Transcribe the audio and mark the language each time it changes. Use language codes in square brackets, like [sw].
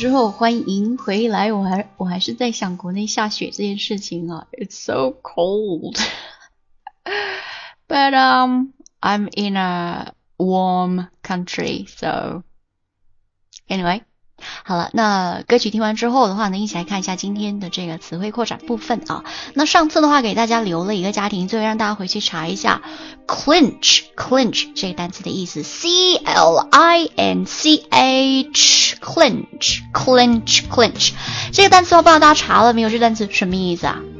[zh] 欢迎回来，我还是在想国内下雪这件事情啊。 [en] It's so cold, but I'm in a warm country, so anyway, [zh] 好了，那歌曲听完之后的话呢，一起来看一下今天的这个词汇扩展部分啊。那上次的话给大家留了一个家庭，最后让大家回去查一下 clinch 这个单词的意思 clinch 这个单词的话，不知道大家查了没有，这单词什么意思啊？